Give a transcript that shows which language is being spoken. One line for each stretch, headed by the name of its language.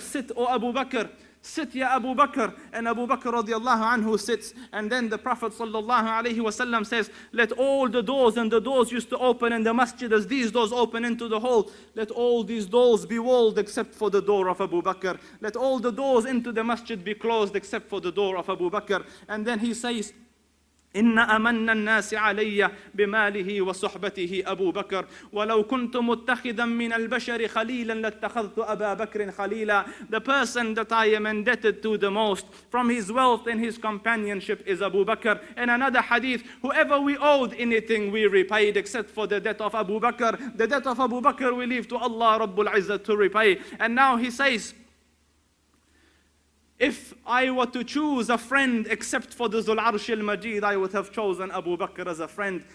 English: Sit, O Abu Bakr. Sit, Ya Abu Bakr. And Abu Bakr radiallahu anhu sits. And then the Prophet sallallahu alayhi wa sallam says, let all the doors, and the doors used to open in the masjid as these doors open into the hall, let all these doors be walled except for the door of Abu Bakr. Let all the doors into the masjid be closed except for the door of Abu Bakr. And then he says,
Arabic: إن أمن الناس علي بماله وصحبته أبو بكر ولو كنت متخذا من البشر خليلا لاتخذت أبا بكر خليلا.
English: The person that I am indebted to the most from his wealth and his companionship is Abu Bakr. In another hadith, whoever we owed anything, we repaid except for the debt of Abu Bakr. The debt of Abu Bakr we leave to Allah Rabbul Izzah to repay. And now he says, if I were to choose a friend except for the Zul Arsh al-Majid, I would have chosen Abu Bakr as a friend.